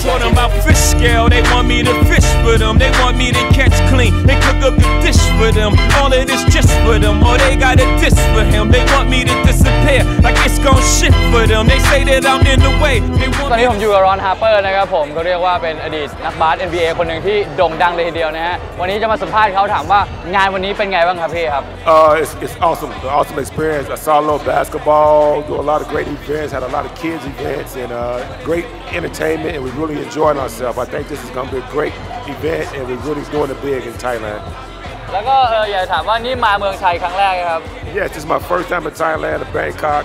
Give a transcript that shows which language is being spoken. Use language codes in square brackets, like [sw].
[en] told them about fish scale They want me to fish with them They want me to catch clean They cook up the dish with them All it is just for them Or they got a diss for him They want me to disappear Like it's gonna shit for them They say that I'm in the way [th] ตอนนี้ผมอยู่กับรอนฮาร์เปอร์นะครับผมเขาเรียกว่าเป็นอดีตนักบาส NBA คนหนึ่งที่โด่งดังเลยทีเดียวนะฮะวันนี้จะมาสัมภาษณ์เขาถามว่างานวันนี้เป็นไงบ้างครับพี่ครับ [en] It's awesome The awesome experience I saw a little basketball Do a lot of great events Had a lot of kids events and great entertainment and we're really enjoying ourselves. I think this is going to be a great event and we're really going to big in Thailand. Yes, this is my first time in Thailand, in Bangkok.